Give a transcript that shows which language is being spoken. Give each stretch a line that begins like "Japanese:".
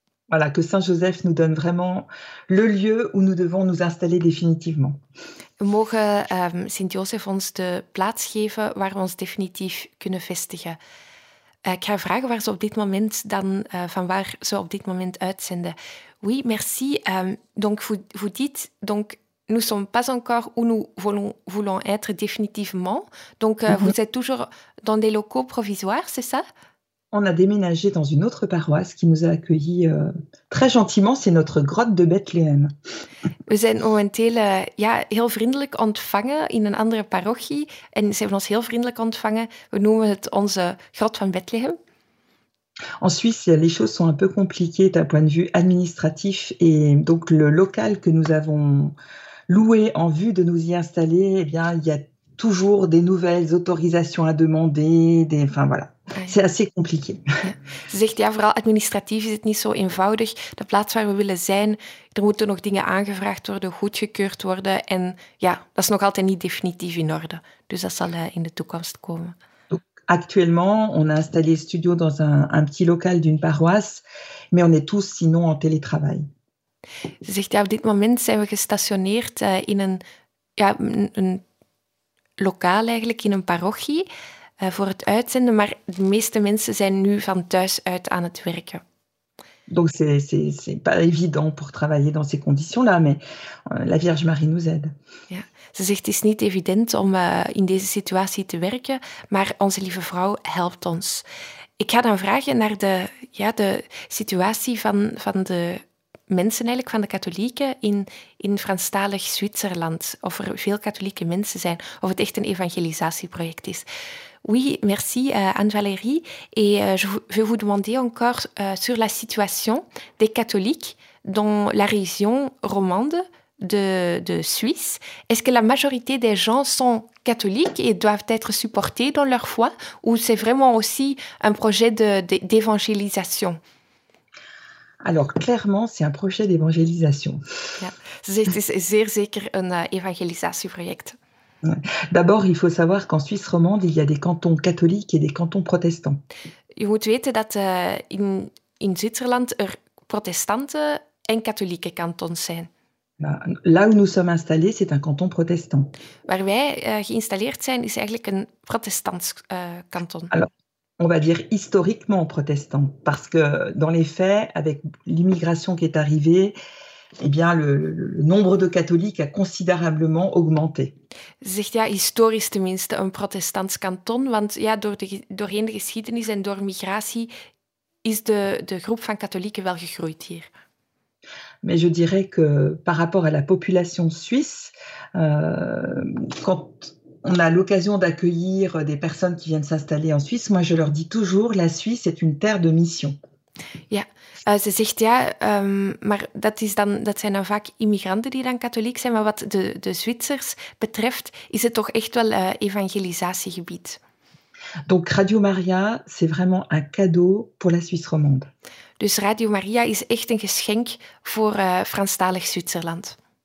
French: Voilà, que Saint-Joseph nous donne vraiment le lieu où nous devons nous installer définitivement.
Dutch: We mogen Sint-Joseph ons de plaats geven waar we ons definitief kunnen vestigen. Ik ga vragen waar ze op dit moment van waar ze op dit moment uitzenden.
French: Oui, merci. Donc, vous dites, donc, nous sommes pas encore où nous voulons être définitivement. Donc, vous êtes toujours dans des locaux provisoires, c'est ça? On a déménagé dans une autre paroisse qui nous a accueillis très gentiment. C'est notre grotte de Bethléem.
Dutch: We zijn momenteel heel vriendelijk ontvangen in een andere parochie. En ze hebben ons heel vriendelijk ontvangen. We noemen het onze grot van Bethléem.
French: En Suisse, les choses sont un peu compliquées d'un point de vue administratif. Et donc le local que nous avons loué en vue de nous y installer, eh bien, il y a toujours des nouvelles autorisations à demander. Enfin voilà. C'est assez compliqué.
Dutch: Ze zegt vooral administratief is het niet zo eenvoudig. De plaats waar we willen zijn, er moeten nog dingen aangevraagd worden, goedgekeurd worden. En dat is nog altijd niet definitief in orde. Dus dat zal in de toekomst komen.
French: Actuellement, on a installé le studio dans un petit local d'une paroisse, mais on est tous sinon en télétravail.
Dutch: Ze zegt op dit moment zijn we gestationeerd in een lokaal eigenlijk, in een parochie. Voor het uitzenden, maar de meeste mensen zijn nu van thuis uit aan het werken.
French: Donc c'est pas évident pour travailler dans ces conditions-là, mais la Vierge Marie nous aide.
Dutch: Ja, ze zegt, het is niet evident om in deze situatie te werken, maar onze lieve vrouw helpt ons. Ik ga dan vragen naar de situatie van de mensen, eigenlijk van de katholieken in Franstalig Zwitserland, of er veel katholieke mensen zijn, of het echt een evangelisatieproject is.
French: Oui, merci Anne-Valérie. Et je vais vous demander encore sur la situation des catholiques dans la région romande de Suisse, est-ce que la majorité des gens sont catholiques et doivent être supportés dans leur foi, ou c'est vraiment aussi un projet d'évangélisation? Alors, clairement, c'est un projet d'évangélisation. C'est un évangélisation-projet. D'abord, il faut savoir qu'en Suisse romande, il y a des cantons catholiques et des cantons protestants.
Dutch: Je moet weten dat in Zwitserland er protestanten en katholieke kantons zijn.
French: Là où nous sommes installés, c'est un canton protestant.
Dutch: Waar wij geïnstalleerd zijn, is eigenlijk een protestants canton.
French: Alors, on va dire historiquement protestant, parce que dans les faits, avec l'immigration qui est arrivée, eh bien, le nombre de catholiques a considérablement augmenté.
Dutch: Zegt ja, historisch tenminste, een protestants canton, want ja, doorheen de geschiedenis en door migratie is de groep van katholieken wel gegroeid hier.
French: Mais je dirais que par rapport à la population suisse, quand on a l'occasion d'accueillir des personnes qui viennent s'installer en Suisse, moi je leur dis toujours, la Suisse est une terre de mission.
Dutch: Ja, ze zegt ja, maar dat is dan, dat zijn dan vaak immigranten die dan katholiek zijn, maar wat de Zwitsers betreft, is het toch echt wel evangelisatiegebied.
French: Donc Radio Maria, c'est vraiment un cadeau pour la Suisse romande.
Dutch: Dus Radio Maria is echt een geschenk voor Franstalig Zwitserland.